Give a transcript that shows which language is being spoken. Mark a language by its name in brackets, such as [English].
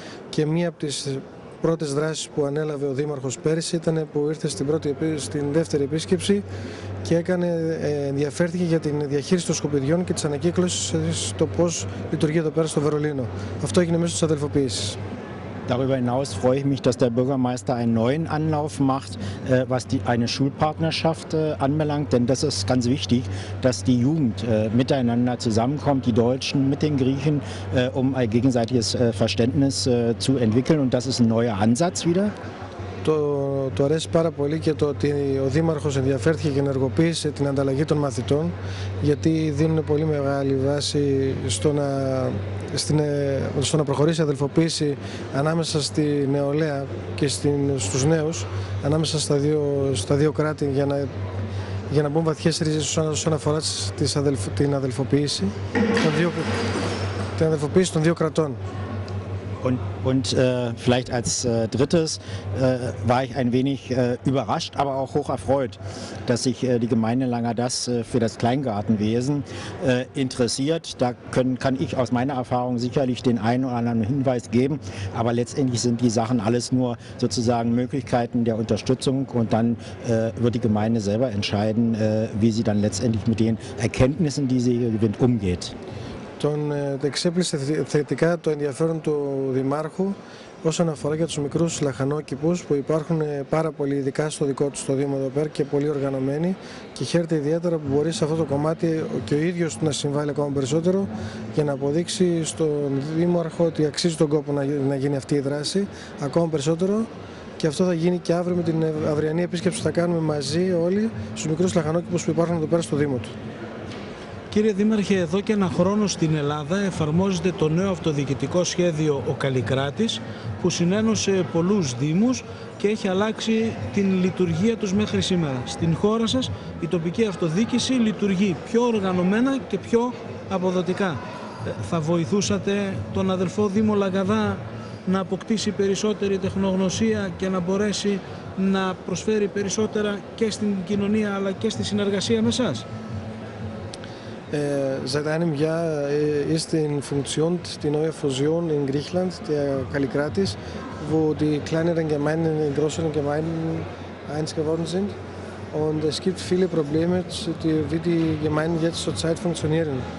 [Greek] Και μία από τις πρώτες δράσεις που ανέλαβε ο Δήμαρχος πέρυσι ήταν που ήρθε στην δεύτερη επίσκεψη και έκανε, ενδιαφέρθηκε για την διαχείριση των σκουπιδιών και της ανακύκλωσης στο πώς λειτουργεί εδώ πέρα στο Βερολίνο. Αυτό έγινε μέσω της αδελφοποίησης. [German] Darüber hinaus freue ich mich, dass der Bürgermeister einen neuen Anlauf macht, was die, eine Schulpartnerschaft anbelangt. Denn das ist ganz wichtig, dass die Jugend miteinander zusammenkommt, die Deutschen mit den Griechen, um ein gegenseitiges Verständnis zu entwickeln. Und das ist ein neuer Ansatz wieder. [Greek] Το αρέσει πάρα πολύ και το ότι ο Δήμαρχος ενδιαφέρθηκε και ενεργοποίησε την ανταλλαγή των μαθητών, γιατί δίνουν πολύ μεγάλη βάση στο να προχωρήσει η αδελφοποίηση ανάμεσα στη νεολαία και στους νέους, ανάμεσα στα δύο κράτη, για να μπουν βαθιές ρίζες όσον αφορά την αδελφοποίηση των δύο κρατών. [German] Und vielleicht als drittes war ich ein wenig überrascht, aber auch hoch erfreut, dass sich die Gemeinde Langadas für das Kleingartenwesen interessiert. Da kann ich aus meiner Erfahrung sicherlich den einen oder anderen Hinweis geben, aber letztendlich sind die Sachen alles nur sozusagen Möglichkeiten der Unterstützung und dann wird die Gemeinde selber entscheiden, wie sie dann letztendlich mit den Erkenntnissen, die sie gewinnt, umgeht. [Greek] Τον εξέπλησε θετικά το ενδιαφέρον του Δημάρχου όσον αφορά για τους μικρούς λαχανόκηπους που υπάρχουν πάρα πολύ, ειδικά στο δικό τους το Δήμο εδώ πέρα, και πολύ οργανωμένοι, και χαίρεται ιδιαίτερα που μπορεί σε αυτό το κομμάτι και ο ίδιος να συμβάλλει ακόμα περισσότερο για να αποδείξει στον Δήμαρχο ότι αξίζει τον κόπο να γίνει αυτή η δράση ακόμα περισσότερο. Και αυτό θα γίνει και αύριο με την αυριανή επίσκεψη που θα κάνουμε μαζί όλοι στους μικρούς λαχανόκηπους που υπάρχουν εδώ πέρα στο Δήμο του. Κύριε Δήμαρχε, εδώ και ένα χρόνο στην Ελλάδα εφαρμόζεται το νέο αυτοδιοικητικό σχέδιο «Ο Καλλικράτης», που συνένωσε πολλούς δήμους και έχει αλλάξει την λειτουργία τους μέχρι σήμερα. Στην χώρα σας η τοπική αυτοδιοίκηση λειτουργεί πιο οργανωμένα και πιο αποδοτικά. Θα βοηθούσατε τον αδερφό Δήμο Λαγκαδά να αποκτήσει περισσότερη τεχνογνωσία και να μπορέσει να προσφέρει περισσότερα και στην κοινωνία αλλά και στη συνεργασία με εσάς? [German] Seit einem Jahr ist in Funktion die neue Fusion in Griechenland, der Kallikratis, wo die kleineren Gemeinden in den größeren Gemeinden eins geworden sind. Und es gibt viele Probleme, wie die Gemeinden jetzt zurzeit funktionieren.